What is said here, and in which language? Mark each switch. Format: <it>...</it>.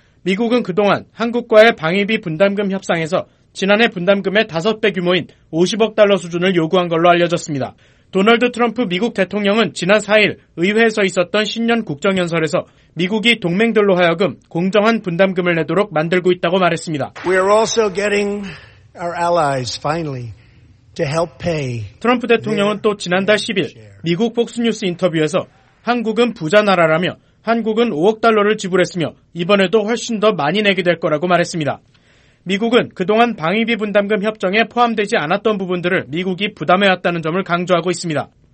<ko>미국은 그동안 한국과의 방위비 분담금 협상에서 지난해 분담금의 5배 규모인 50억 달러 수준을 요구한 걸로 알려졌습니다. 도널드 트럼프 미국 대통령은 지난 4일 의회에서 있었던 신년 국정연설에서 미국이 동맹들로 하여금 공정한 분담금을 내도록 만들고 있다고 말했습니다.</ko> <en>We are also getting our allies finally to help pay.</en> <ko>트럼프 대통령은 또 지난달 10일 미국 폭스뉴스 인터뷰에서 한국은 부자 나라라며 한국은 5억 달러를 지불했으며 이번에도 훨씬 더 많이 내게 될 거라고 말했습니다. 미국은 그동안 방위비 분담금 협정에 포함되지 않았던 부분들을 미국이 부담해왔다는 점을 강조하고 있습니다.</ko>